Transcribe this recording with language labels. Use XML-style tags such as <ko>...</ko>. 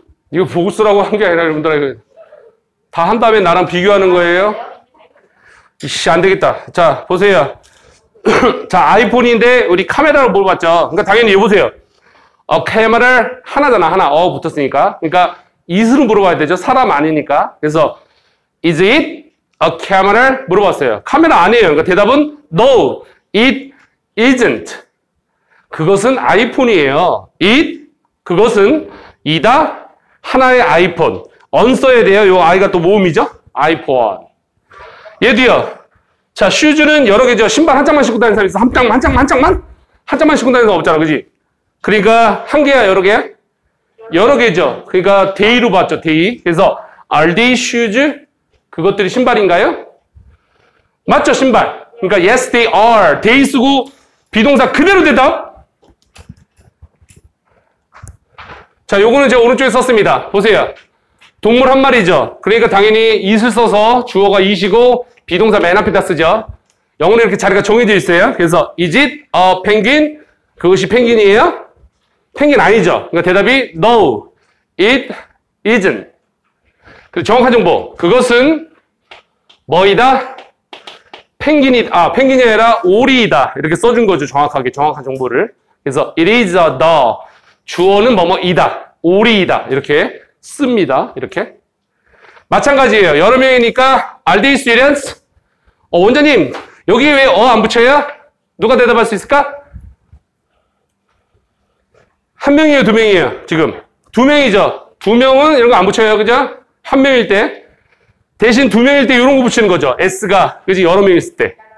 <ko>이거 보고 쓰라고 한 게 아니라 여러분들 이거 다 한 다음에 나랑 비교하는 거예요? 이씨 안 되겠다. 자, 보세요. 자, 아이폰인데 우리 카메라로 뭘 봤죠? 그러니까 당연히 이거 보세요. 어, 카메라를 하나잖아. 하나. 어, 붙었으니까. 그러니까 is로 물어봐야 되죠. 사람 아니니까. 그래서</ko> <en>is it a camera</en> <ko>를 물어봤어요. 카메라 아니에요. 그러니까 대답은</ko> <en>no. It isn't.</en> <ko>그것은 아이폰이에요. It 그것은 이다 하나의 아이폰. 언서에 대해 요 아이가 또 모음이죠? 아이폰. 얘들아. 자, 슈즈는 여러 개죠. 신발 한 짝만 신고 다니는 사람 있어? 한 짝만? 한 짝만 신고 다니는 사람 없잖아. 그지? 그러니까 한 개야, 여러 개야? 여러 개죠. 그러니까 데이로 봤죠. 데이. 그래서</ko> <en>are they shoes?</en> <ko>그것들이 신발인가요? 맞죠, 신발. 그러니까</ko> <en>yes, they are.</en> <ko>데이 쓰고 비동사 그대로 대답. 자, 요거는 제가 오른쪽에 썼습니다. 보세요. 동물 한 마리죠. 그러니까 당연히 it을 써서 주어가 it이고 비동사 맨 앞에다 쓰죠. 영어는 이렇게 자리가 정해져 있어요. 그래서</ko> <en>is it a penguin?</en> <ko>그것이 펭귄이에요? 펭귄 아니죠. 그러니까 대답이</ko> <en>no, it isn't.</en> <ko>정확한 정보. 그것은 뭐이다? 펭귄이 아니라 오리이다. 이렇게 써준 거죠. 정확하게. 정확한 정보를. 그래서</ko> <en>it is a dog.</en> <ko>주어는 뭐뭐이다. 오리이다. 이렇게 씁니다. 이렇게. 마찬가지예요. 여러 명이니까</ko> <en>are they students?</en> <ko>어, 원장님, 여기에 왜 어 안 붙여요? 누가 대답할 수 있을까? 한 명이에요, 두 명이에요, 지금? 두 명이죠. 두 명은 이런 거 안 붙여요, 그죠? 한 명일 때. 대신 두 명일 때 이런 거 붙이는 거죠. S가, 그지? 여러 명 있을 때.</ko>